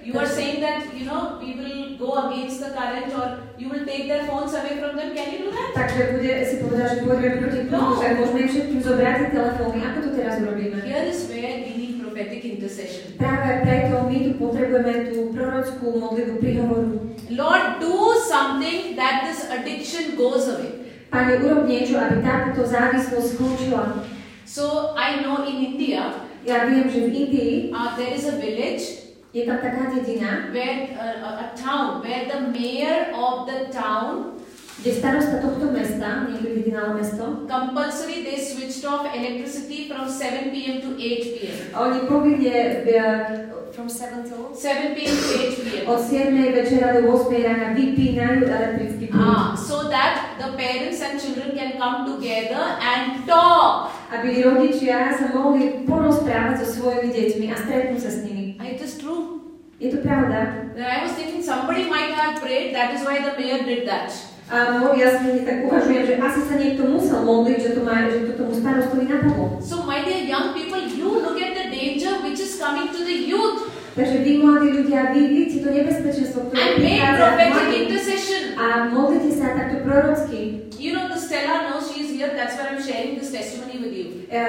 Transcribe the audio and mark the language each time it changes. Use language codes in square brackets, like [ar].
[en] You are saying that, you know, we will go against the current or you will take their phones away from them. Can you do that? [sk] Takže bude si povedať, že pôjdeme proti tomu, že môžeme všetkým zobrať tie telefóny. Ako to teraz urobíme? [en] Here is where we need prophetic intercession. [sk] Práve preto my tu potrebujeme tú prorockú modlitbu príhovoru. [en] Lord, do something that this addiction goes away. [sk] Pane, urob niečo, aby takúto závislosť skončila. [en] So I know in India, [sk] ja viem, že v Indii, [en] there is a village, [sk] je tam taká dedina, [en] a town where the mayor of the town, [sk] kde starosta tohto mesta, niekto vydinal mesto, [en] compulsory they switched off electricity from 7 p.m. to 8 p.m. [sk] A oni povinne [en] from 7 to 7 p.m. to 8 p.m. [sk] O 7 večera do 8 rána vypínajú elektrický prúd. [en] So that the parents and children can come together and talk. [sk] Aby rodičia sa mohli porozprávať so svojimi deťmi a stretnú sa s nimi. [en] It is true. [sk] Je to pravda. [en] I was thinking somebody might have prayed, that is why the mayor did that. [sk] Ja si tak uvažujem, že asi sa niekto musel modliť, že to majú, že to tomu starostovi napomol. [en] So my dear young people, you look at the danger which is coming to the youth. [sk] Takže vy mladí ľudia, vy vidíte to nebezpečenstvo, ktoré prichádza. [en] And make prophetic intercession. [sk] A modlite sa takto prorocky. [en] You know the Stella, no, she is here, that's why I'm sharing this testimony with you.